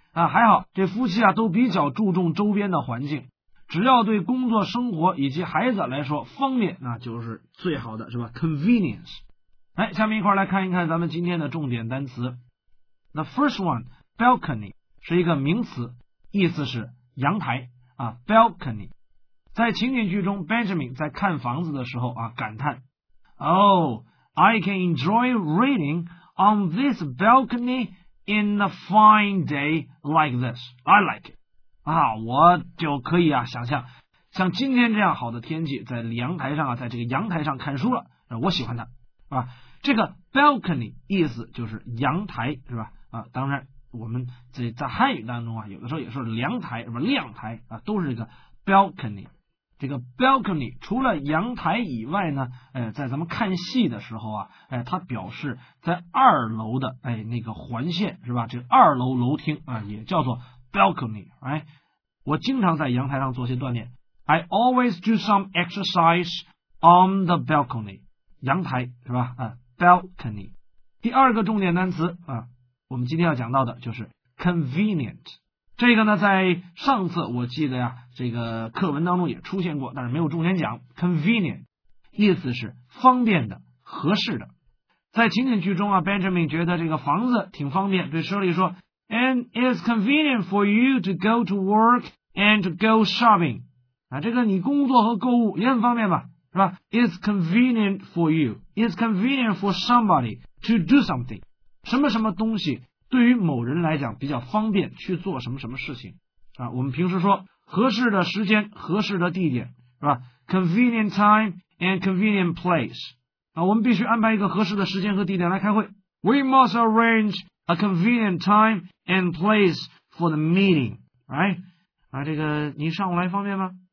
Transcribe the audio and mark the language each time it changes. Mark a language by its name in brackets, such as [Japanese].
[Chinese] 啊，还好这夫妻啊都比较注重周边的环境，只要对工作生活以及孩子来说方便，那就是最好的是吧 convenience。来，下面一块来看一看咱们今天的重点单词。The first one balcony 是一个名词，意思是阳台啊 balcony。在情景剧中 Benjamin 在看房子的时候啊感叹 [English] Oh, I can enjoy reading on this balconyIn a fine day like this, I like it. [Chinese] 啊，我就可以啊想象，像今天这样好的天气，在阳台上啊，在这个阳台上看书了，我喜欢它，啊，这个 balcony 意思就是阳台，是吧？啊，当然我们这在汉语当中啊，有的时候也说凉台什么亮台啊，都是这个 balcony。这个 balcony 除了阳台以外呢，在咱们看戏的时候啊，它表示在二楼的那个环线是吧？这二楼楼厅啊，也叫做 balcony。哎，我经常在阳台上做些锻炼 ， [English] I always do some exercise on the balcony， [Chinese] 阳台是吧？ [English] balcony。 [Chinese] 第二个重点单词啊，我们今天要讲到的就是 convenient。这个呢，在上次我记得呀，这个课文当中也出现过，但是没有重点讲。 convenient 意思是方便的、合适的。在情景剧中啊 ，Benjamin 觉得这个房子挺方便，对 Shirley 说 ， [English] And it's convenient for you to go to work and to go shopping。 [Chinese] 啊，这个你工作和购物也很方便吧，是吧 ？ [English] It's convenient for you. It's convenient for somebody to do something。 [Chinese] 什么什么东西？对于某人来讲比较方便去做什么什么事情啊，我们平时说合适的时间合适的地点是吧 [English] convenient time and convenient place [Chinese] 啊，我们必须安排一个合适的时间和地点来开会 [English] we must arrange a convenient time and place for the meeting right [Chinese] 啊，这个你上午来方便吗